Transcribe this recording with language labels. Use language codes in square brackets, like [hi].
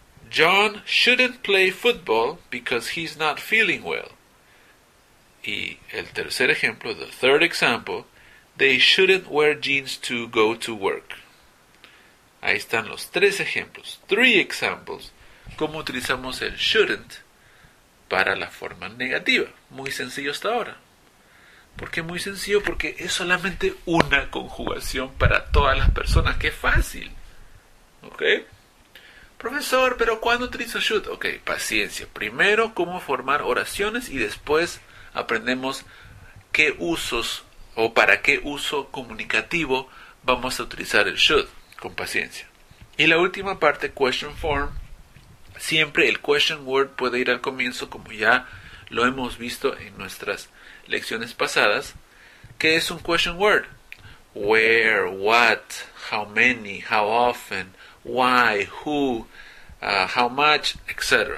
[en] John shouldn't play football because he's not feeling well. [es] Y el tercer ejemplo, [en] the third example, they shouldn't wear jeans to go to work. [es] Ahí están los tres ejemplos, [en] three examples, [es] cómo utilizamos el shouldn't para la forma negativa. Muy sencillo hasta ahora. ¿Por qué muy sencillo? Porque es solamente una conjugación para todas las personas. ¡Qué fácil! ¿Ok? Profesor, ¿pero cuándo utilizo should? Ok, paciencia. Primero, cómo formar oraciones y después aprendemos qué usos o para qué uso comunicativo vamos a utilizar el should. Con paciencia. Y la última parte, question form. Siempre el question word puede ir al comienzo, como ya lo hemos visto en nuestras lecciones pasadas. ¿Qué es un question word? [en] Where, what, how many, how often, why, who, how much, etc.